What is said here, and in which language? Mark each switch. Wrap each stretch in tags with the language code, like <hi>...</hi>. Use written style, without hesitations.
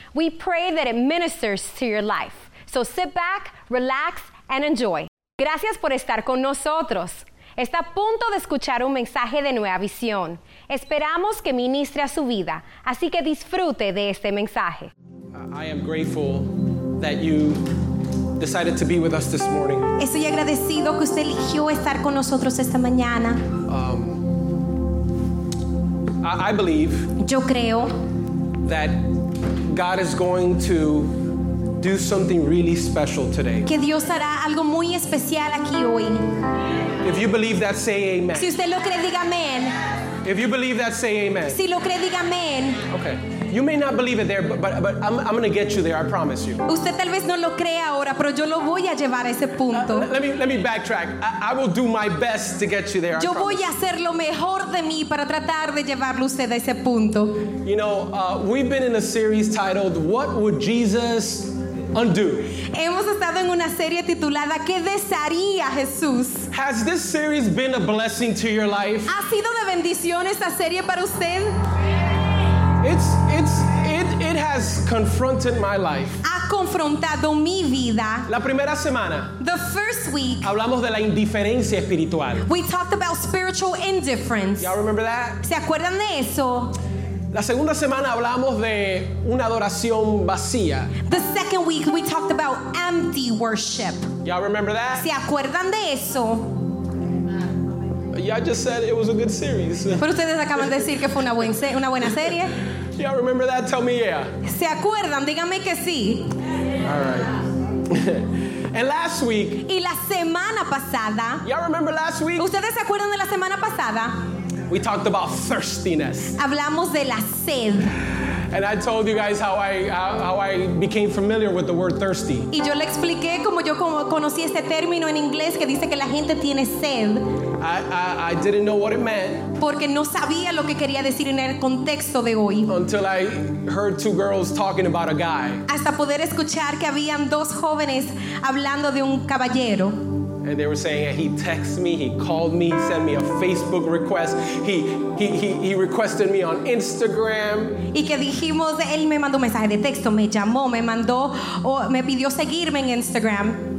<en>We pray that it ministers to your life. So sit back, relax, and enjoy. Gracias por estar con nosotros.</en> <es>Está a punto de escuchar un mensaje de Nueva Visión. Esperamos que ministre a su vida. Así que disfrute de este mensaje.</es> <en>I am grateful that you decided to be with us this morning.</en> <es>Estoy agradecido que usted eligió estar con nosotros esta mañana.</es> <en>I believe</en> <es>Yo creo</es> <en>that God is going to do something really special today.</en> <es>Que Dios hará algo muy especial aquí hoy.</es> <en>If you believe that, say amen.</en> <es>Si usted lo cree, diga amen.</es> <en>If you believe that, say amen.</en> <es>Si lo cree, diga amen.</es> <en>Okay. You may not believe it there, but I'm going to get you there, I promise you.</en> <es>Usted tal vez no lo cree ahora, pero yo lo voy a llevar a ese punto.</es> <en>Let me backtrack. I will do my best to get you there.</en> <es>Yo voy a hacer lo mejor de mí para tratar de llevarlo usted a ese punto.</es> <en>You know, we've been in a series titled What Would Jesus Undo?</en> <es>Hemos estado en una serie titulada ¿Qué desharía Jesús?</es> <en>Has this series been a blessing to your life?</en> <es>¿Ha sido de bendición esta serie para usted?</es> <en>It has confronted my life.</en> <es>Ha confrontado mi vida. La primera semana.</es> <en>The first week.</en> <es>Hablamos de la indiferencia espiritual.</es> <en>We talked about spiritual indifference. Y'all remember that?</en> <es>¿Se acuerdan de eso? La segunda semana hablamos de una adoración vacía.</es> <en>The second week we talked about empty worship. Y'all remember that?</en> <es>¿Se acuerdan de eso?</es> <en>Y'all just said it was a good series.</en> <es>Pero ustedes acaban de decir que fue una buena serie.</es> <en>Y'all remember that? Tell me yeah.</en> <es>¿Se acuerdan? Díganme que sí.</es> <en>All right. And last week.</en> <es>Y la semana pasada.</es> <en>Y'all remember last week?</en> <es>¿Ustedes se acuerdan de la semana pasada?</es> <en>We talked about thirstiness.</en> <es>Hablamos de la sed.</es> <en>And I told you guys how I became familiar with the word thirsty.</en> <es>Y yo le expliqué cómo yo conocí este término en inglés que dice que la gente tiene sed.</es> <en>I didn't know what it meant.</en> <es>Porque no sabía lo que quería decir en el contexto de hoy.</es> <en>Until I heard two girls talking about a guy.</en> <es>Hasta poder escuchar que habían dos jóvenes hablando de un caballero.</es> <en>And they were saying, he texted me, he called me, he sent me a Facebook request, he requested me on Instagram.</en> <es>Y que dijimos, él me mandó un mensaje de texto, me llamó, me mandó, me pidió seguirme en Instagram.</es>